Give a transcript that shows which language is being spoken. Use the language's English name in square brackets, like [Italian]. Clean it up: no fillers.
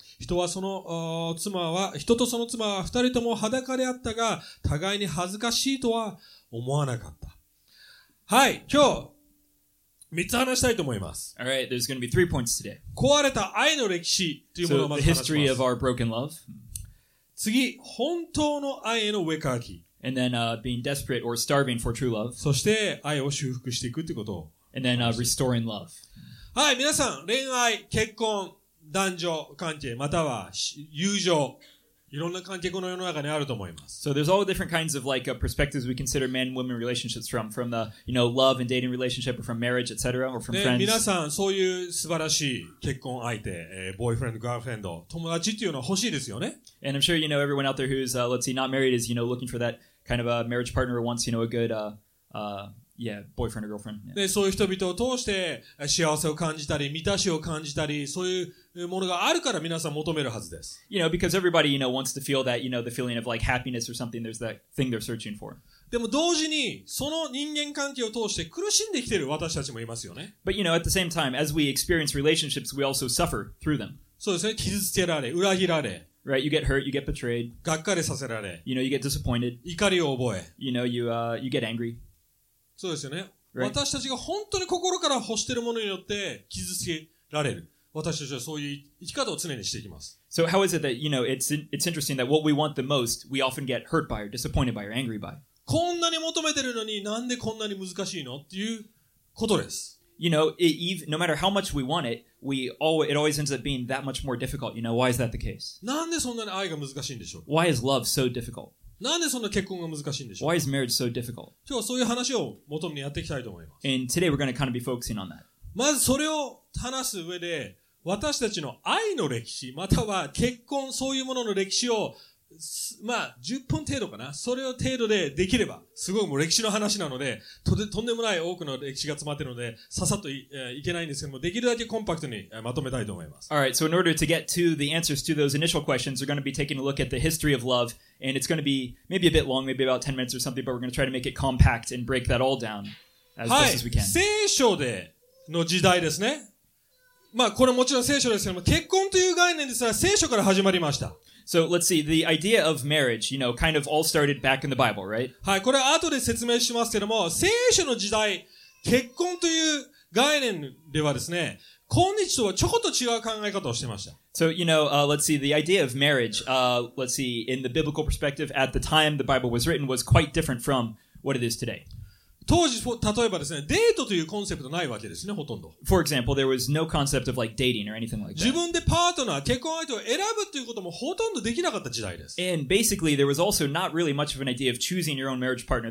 [Japanese] 人はその妻は、人とその妻は二人とも裸であったが、互いに恥ずかしいとは思わなかった。はい、今日。 3つ話したいと思います。 [English] All right, there's going to be three points today. [Japanese] 壊れた愛の歴史というものをまず話します。 [English] So, the history of our broken love. [Japanese] 次、本当の愛への飢え渇き。 [English] And then, being desperate or starving for true love. [Japanese] そして、愛を修復していくということを。 [English] And then, restoring love. [Japanese] はい、皆さん、恋愛、結婚、男女関係、または友情。いろんな関係この世の中にあると思います。 [English] So there's all different kinds of like perspectives we consider man-woman relationships from the you know love and dating relationship or from marriage etc. or from friends. [Japanese] 皆さんそういう素晴らしい結婚相手、boyfriend, girlfriend, 友達っていうのは欲しいですよね。 [English] And I'm sure you know everyone out there who's let's see not married is you know looking for that kind of a marriage partner who wants you know a good yeah boyfriend or girlfriend. [Japanese] でそういう人々を通して幸せを感じたり満たしを感じたりそういうものがあるから皆さん求めるはずです。 [English] You know, because everybody, you know, wants to feel that, you know, the feeling of like happiness or something, there's that thing they're searching for. [Japanese] でも同時に、その人間関係を通して苦しんできている私たちもいますよね。 [English] But you know, at the same time, as we experience relationships, we also suffer through them. [Japanese] そうですね。傷つけられ、裏切られ。 [English] Right, you get hurt, you get betrayed. [Japanese] がっかりさせられ。 [English] You know, you get disappointed. [Japanese] 怒りを覚え。 [English] You know, you get angry. [Japanese] そうですよね。 [English] Right. [Japanese] 私たちが本当に心から欲しているものによって傷つけられる。私たちはそういう生き方を常にしていきます。 [English] So how is it that, you know, it's interesting that what we want the most, we often get hurt by or disappointed by or angry by. [Japanese] こんなに求めてるのになんでこんなに難しいのっていうことです。 [English] You know, no matter how much we want it, it always ends up being that much more difficult. You know, why is that the case? [Japanese] なんでそんなに愛が難しいんでしょう? [English] Why is love so difficult? [Japanese] なんでそんな結婚が難しいんでしょう? [English] Why is marriage so difficult? [Japanese] 今日はそういう話を元にやっていきたいと思います。 [English] And today we're going to kind of be focusing on that. [Japanese] まずそれを話す上で、私たちの愛の歴史または結婚そういうものの歴史をまあ、10本程度かな。それを程度でできれば、すごいもう歴史の話なので、とんでもない多くの歴史が詰まっているので、ささっと いけないんですけども、できるだけコンパクトにまとめたいと思います。 [English] Alright, so in order to get to the answers to those initial questions, we're going to be taking a look at the history of love, and it's going to be maybe a bit long, maybe about 10 minutes or something, but we're going to try to make it compact and break that all down as、 [Japanese] はい、 [English] best as we can. [Japanese] 聖書での時代ですね。まあ、これもちろん聖書ですけども、結婚という概念ですが、聖書から始まりました。 [English] So let's see, the idea of marriage, you know, kind of all started back in the Bible, right? [Japanese] はい、これは後で説明しますけども、聖書の時代、結婚という概念ではですね、今日とはちょこっと違う考え方をしてました。 [English] So, you know, let's see, the idea of marriage, let's see, in the biblical perspective, at the time the Bible was written, was quite different from what it is today. [Japanese] 当時、例えばですね、デートというコンセプトないわけですね、ほとんど。 [English] For example, there was no concept of like dating or anything like that. [Japanese] 自分でパートナー、結婚相手を選ぶということもほとんどできなかった時代です。 [English] And basically, there was also not really much of an idea of choosing your own marriage partner.